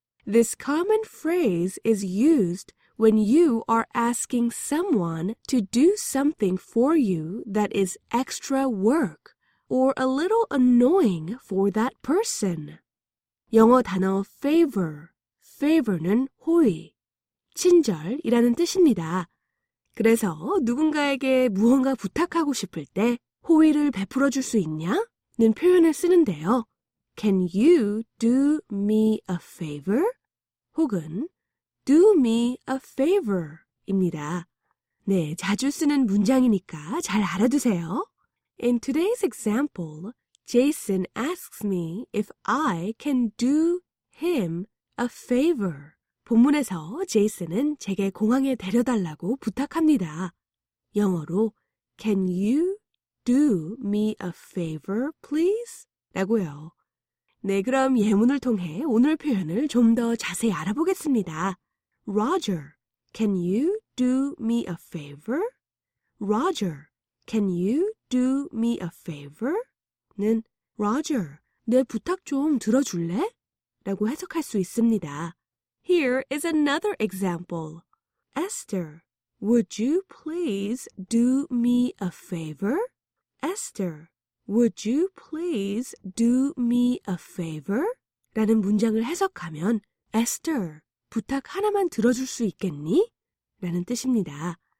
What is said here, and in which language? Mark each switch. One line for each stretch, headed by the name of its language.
English: This common phrase is used when you are asking someone to do something for you that is extra work or a little annoying for that person.
Korean: 영어 단어
English: favor,
Korean: favor는 호의, 친절이라는 뜻입니다. 그래서 누군가에게 무언가 부탁하고 싶을 때 호의를 베풀어 줄 수 있냐는 표현을 쓰는데요.
English: Can you do me a favor?
Korean: 혹은
English: do me a favor입니다.
Korean: 네, 자주 쓰는 문장이니까 잘 알아두세요.
English: In today's example, Jason asks me if I can do him a favor.
Korean: 본문에서 제이슨은 제게 공항에 데려달라고 부탁합니다. 영어로
English: Can you do me a favor, please?
Korean: 라고요. 네, 그럼 예문을 통해 오늘 표현을 좀 더 자세히 알아보겠습니다.
English: Roger, can you do me a favor? Roger, can you do me a favor?
Korean: 는 Roger, 내 부탁 좀 들어줄래? 라고 해석할 수 있습니다.
English: Here is another example. Esther, would you please do me a favor? Esther, would you please do me a favor?
Korean: 라는 문장을 해석하면 Esther, 부탁 하나만 들어줄 수 있겠니? 라는 뜻입니다.